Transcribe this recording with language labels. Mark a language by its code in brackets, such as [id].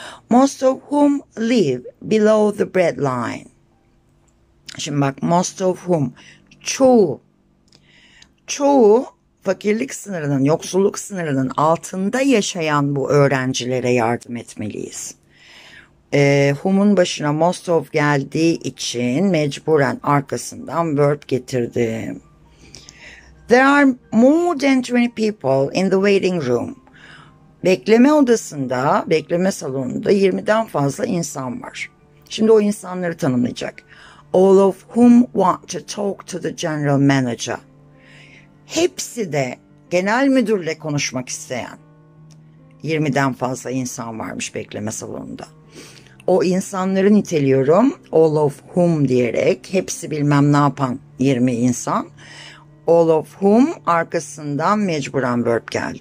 [en] Most of whom live below the bread line. [tr] Şimdi bak, [en] most of whom, [tr] çoğu. Çoğu fakirlik sınırının, yoksulluk sınırının altında yaşayan bu öğrencilere yardım etmeliyiz. Whom'un başına most of geldiği için mecburen arkasından verb getirdim. [en] There are more than 20 people in the waiting room. [tr] Bekleme odasında, bekleme salonunda 20'den fazla insan var. Şimdi o insanları tanımlayacak. [en] All of whom want to talk to the general manager. [tr] Hepsi de genel müdürle konuşmak isteyen 20'den fazla insan varmış bekleme salonunda. O insanları niteliyorum [en] all of whom [tr] diyerek, hepsi bilmem ne yapan 20 insan. All of whom arkasından mecburen verb geldi.